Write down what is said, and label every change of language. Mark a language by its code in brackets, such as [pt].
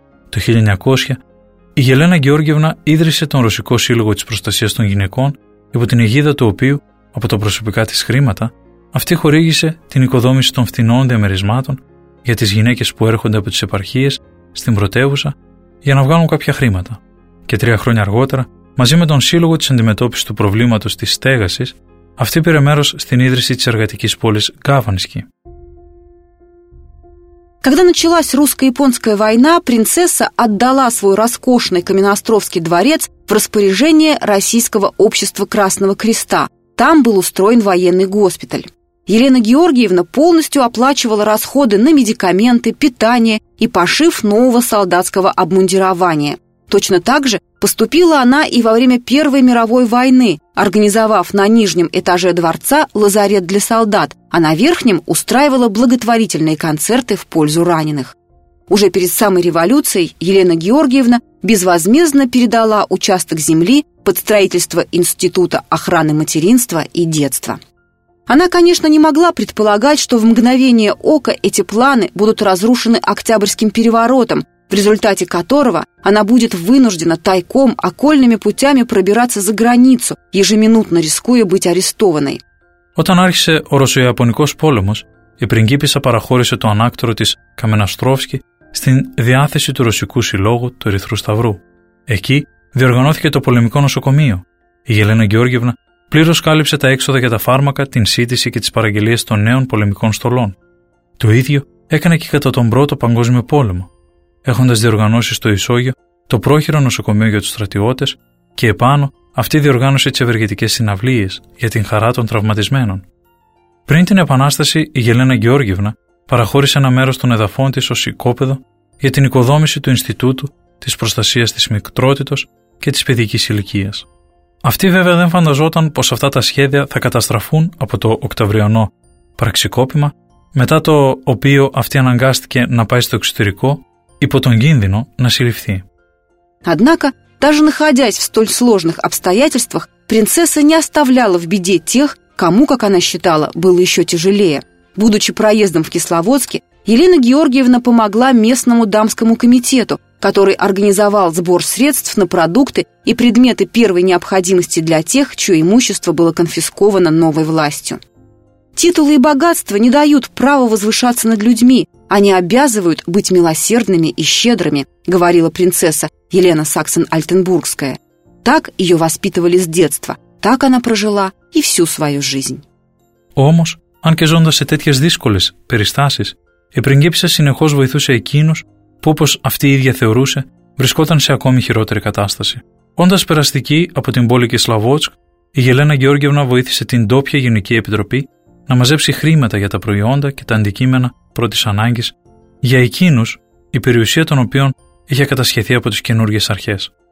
[el] Το 1900, η Ελένα Γεώργιευνα ίδρυσε τον Ρωσικό Σύλλογο της Προστασίας των Γυναικών, υπό την αιγίδα του οποίου, από τα προσωπικά της χρήματα, αυτή χορήγησε την οικοδόμηση των φθηνών διαμερισμάτων για τις γυναίκες που έρχονται από τις επαρχίες στην πρωτεύουσα για να βγάλουν κάποια χρήματα. Και 3 χρόνια αργότερα, μαζί με τον Σύλλογο της Αντιμετώπισης του Προβλήματος της Στέγασης, αυτή πήρε μέρος στην ίδρυση της εργατικής πόλης Γκάβανσκι. [ru] Когда началась русско-японская война, принцесса отдала свой роскошный Каменноостровский дворец в распоряжение Российского общества Красного Креста. Там был устроен военный госпиталь. Елена Георгиевна полностью оплачивала расходы на медикаменты, питание и пошив нового солдатского обмундирования. Точно так же поступила она и во время Первой мировой войны, организовав на нижнем этаже дворца лазарет для солдат, а на верхнем устраивала благотворительные концерты в пользу раненых. Уже перед самой революцией Елена Георгиевна безвозмездно передала участок земли под строительство Института охраны материнства и детства. Она, конечно, не могла предполагать, что в мгновение ока эти планы будут разрушены Октябрьским переворотом, в результате которого она будет вынуждена тайком окольными путями пробираться за границу, ежеминутно рискуя быть арестованной. [el] Όταν άρχισε ο Ρωσο-Ιαπωνικός πόλεμος, η πριγκίπισσα παραχώρησε το ανάκτορο της Καμενναστρόφσκι στην διάθεση του Ρωσικού Συλλόγου του Ερυθρού Σταυρού. Εκεί διοργανώθηκε το πολεμικό νοσοκομείο. Η Ελένα Γεώργιευνα πλήρως κάλυψε τα έξοδα για τα φάρμακα, την σύντηση και τις παραγγελίες των νέων πολεμικών στολών. Το ίδιο έκανε και κατά τον Πρώτο Παγκόσμιο Πόλεμο, έχοντας διοργανώσει στο Ισόγειο το πρόχειρο νοσοκομείο για τους στρατιώτες και επάνω αυτή διοργάνωσε τις ευεργετικές συναυλίες για την χαρά των τραυματισμένων. Πριν την Επανάσταση, η Ελένα Γεώργιευνα παραχώρησε ένα μέρος των εδαφών της ως οικόπεδο για την οικοδόμηση του Ινστιτούτου της Προστασίας της Μικρότητος και της Παιδικής Ηλικίας. Αυτή βέβαια δεν φανταζόταν πως αυτά τα σχέδια θα καταστραφούν από το Οκταβριανό πραξικόπημα, μετά το οποίο αυτή αναγκάστηκε να πάει στο εξωτερικό υπό τον κίνδυνο να συλληφθεί. [ru] Однако, даже находясь в столь сложных обстоятельствах, принцесса не оставляла в беде тех, кому, как она считала, было еще тяжелее. Будучи проездом в Кисловодске, Елена Георгиевна помогла местному дамскому комитету, который организовал сбор средств на продукты и предметы первой необходимости для тех, чье имущество было конфисковано новой властью. Титулы и богатства не дают права возвышаться над людьми, они обязывают быть милосердными и щедрыми, говорила принцесса Елена Саксен-Альтенбургская. Так ее воспитывали с детства, так она прожила и всю свою жизнь. [el] Όμως, αν και ζώντας σε τέτοιες δύσκολες περιστάσεις, η πριγκίπισσα συνεχώς βοηθούσε εκείνους που, όπως αυτή η ίδια θεωρούσε, βρισκόταν σε ακόμη χειρότερη κατάσταση. Όντας περαστική από την πόλη Κισλαβότσκ, η Ελένα Γεώργιευνα βοήθησε την ντόπια γενική επιτροπή να μαζέψει χρήματα για τα προϊόντα και τα αντικείμενα πρώτης ανάγκης για εκείνους, η περιουσία των οποίων είχε κατασχεθεί από τις καινούργιες αρχές.